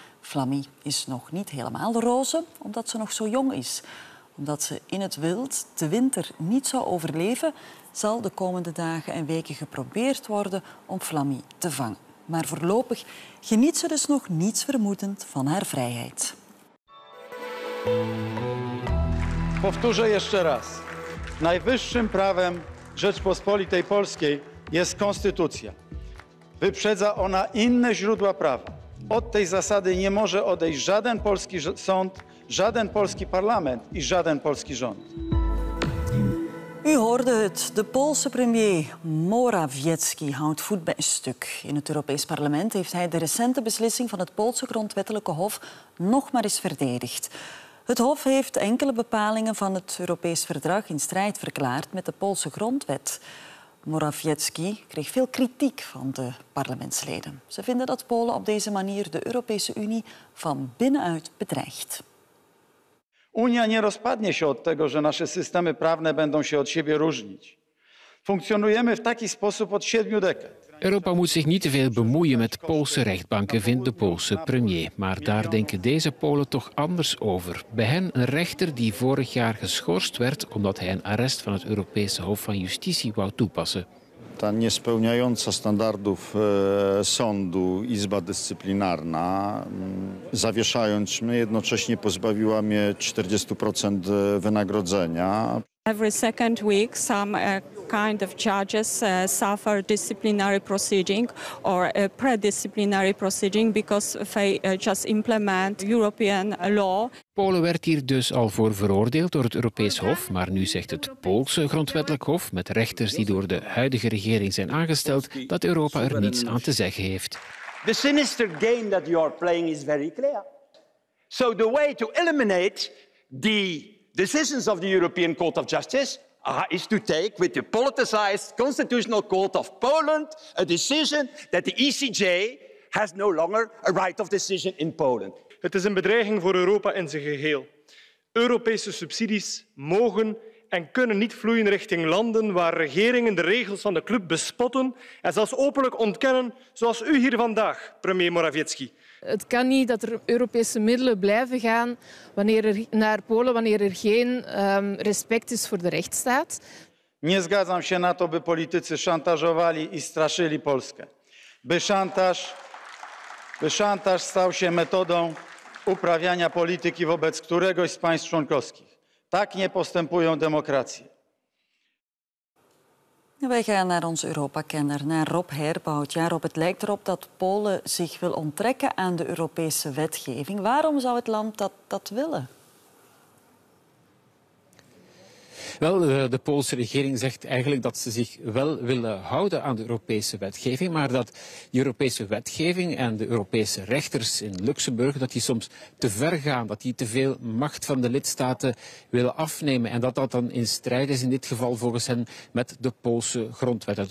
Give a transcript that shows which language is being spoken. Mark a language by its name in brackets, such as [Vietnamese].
[Dutch] Flammy is nog niet helemaal roze, omdat ze nog zo jong is. Omdat ze in het wild de winter niet zou overleven, zal de komende dagen en weken geprobeerd worden om Flammy te vangen. Maar voorlopig geniet ze dus nog nietsvermoedend van haar vrijheid. [Polish] Powtórzę jeszcze raz. Najwyższym prawem Rzeczpospolitej Polskiej jest konstytucja. Wyprzedza ona inne źródła prawa. Od tej zasady nie może odejść żaden polski sąd, żaden polski parlament i żaden polski rząd. [Dutch] U hoorde het. De Poolse premier Morawiecki houdt voet bij stuk. In het Europees Parlement heeft hij de recente beslissing van het Poolse grondwettelijke hof nog maar eens verdedigd. Het hof heeft enkele bepalingen van het Europees verdrag in strijd verklaard met de Poolse grondwet. Morawiecki kreeg veel kritiek van de parlementsleden. Ze vinden dat Polen op deze manier de Europese Unie van binnenuit bedreigt. [Polish] Unia nie rozpadnie się od tego, że nasze systemy prawne będą się od siebie różnić. Funkcjonujemy w taki sposób od 7 dekad. [Dutch] Europa moet zich niet te veel bemoeien met Poolse rechtbanken, vindt de Poolse premier. Maar daar denken deze Polen toch anders over. Bij hen een rechter die vorig jaar geschorst werd omdat hij een arrest van het Europese Hof van Justitie wou toepassen. [Polish] Ta niespełniająca standardów sądu Izba Dyscyplinarna, zawieszając mnie, jednocześnie pozbawiła mnie 40% wynagrodzenia. [English] Every second week some kind of judges suffer disciplinary proceeding or a pre-disciplinary proceeding because they just implement European law. [Dutch] Polen werd hier dus al voor veroordeeld door het Europees Hof, maar nu zegt het Poolse grondwettelijk hof, met rechters die door de huidige regering zijn aangesteld, dat Europa er niets aan te zeggen heeft. [English] The sinister game that you are playing is very clear. So the way to eliminate the decisions of the European Court of Justice is to take with the politicized Constitutional Court of Poland a decision that the ECJ has no longer a right of decision in Poland. [Dutch] Het is een bedreiging voor Europa in zijn geheel. Europese subsidies mogen en kunnen niet vloeien richting landen waar regeringen de regels van de club bespotten en zelfs openlijk ontkennen, zoals u hier vandaag, premier Morawiecki. Het kan niet dat er Europese middelen blijven gaan wanneer er naar Polen wanneer er geen respect is voor de rechtsstaat. [Polish] Nie zgadzam się na to, by politycy szantażowali i straszyli Polskę. By szantaż stał się metodą uprawiania polityki wobec któregoś z państw członkowskich. Tak nie postępują demokracje. [Dutch] Wij gaan naar onze Europa-kenner, naar Rob Herbout. Ja, Rob, het lijkt erop dat Polen zich wil onttrekken aan de Europese wetgeving. Waarom zou het land dat willen? Wel, de Poolse regering zegt eigenlijk dat ze zich wel willen houden aan de Europese wetgeving, maar dat de Europese wetgeving en de Europese rechters in Luxemburg, dat die soms te ver gaan, dat die te veel macht van de lidstaten willen afnemen en dat dat dan in strijd is, in dit geval volgens hen, met de Poolse grondwet.